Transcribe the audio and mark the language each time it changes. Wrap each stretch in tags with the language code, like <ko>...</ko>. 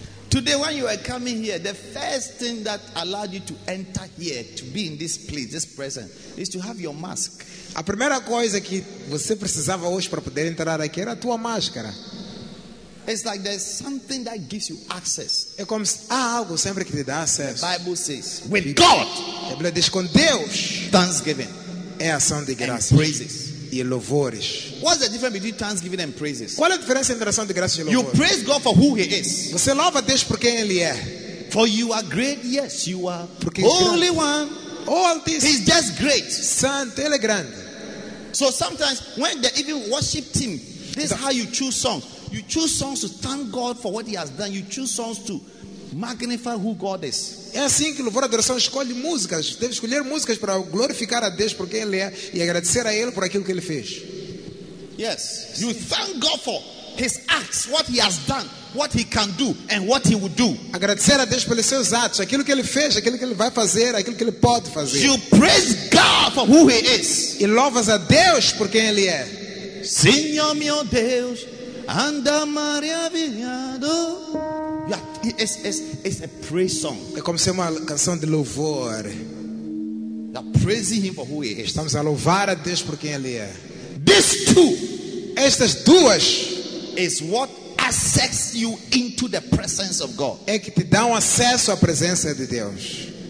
<en>Today, when you were coming here, the first thing that allowed you to enter here, to be in this place, this presence, is to have your mask.</en> <pt>A primeira coisa que você precisava hoje para poder entrar aqui era a tua máscara.</pt> <en>It's like there's something that gives you access.</en> <pt>É como se há algo sempre que te dá acesso.</pt> <en>The Bible says, with God,</en> <pt>a Bíblia diz, com Deus,</pt> <en>thanksgiving,</en> <pt>é ação de graças,</pt> <en>and praises.</en> <pt>E louvores.</pt> <en>What's the difference between thanksgiving and praises?</en> <pt>Qual é a diferença entre ação de graças e louvores?</pt> <en>You praise God for who He is.</en> <pt>Você louva Deus por quem Ele é.</pt> <en>For you are great, yes, you are</en> <pt>porque</pt> <en>only one. All this. He's just great.</en> <pt>Santo, Ele é grande.</pt> <en>So sometimes when the even worship team, this is how you choose songs. You choose songs to thank God for what He has done. You choose songs to magnify who God is.</en> <pt>É assim que o louvor e adoração escolhe músicas. Deve escolher músicas para glorificar a Deus por quem Ele é e agradecer a Ele por aquilo que Ele fez.</pt> <en>Yes. You thank God for His acts, what He has done, what He can do, and what He will do.</en> <pt>Agradecer a Deus pelos seus atos, aquilo que Ele fez, aquilo que Ele vai fazer, aquilo que Ele pode fazer.</pt> <en>You praise God for who He is.</en> <pt>E louvas a Deus por quem Ele é. Senhor meu Deus, anda Maria viado.</pt> <en>It's a praise song.</en> <pt>É como se uma canção de louvor.</pt> <en>Praising Him for who He is.</en> <pt>Estamos a louvar a Deus por quem Ele é.</pt> <en>These two,</en> <pt>estas duas,</pt> <en>is what access you into the presence of God.</en> <pt>É que te dá acesso à presença de Deus.</pt>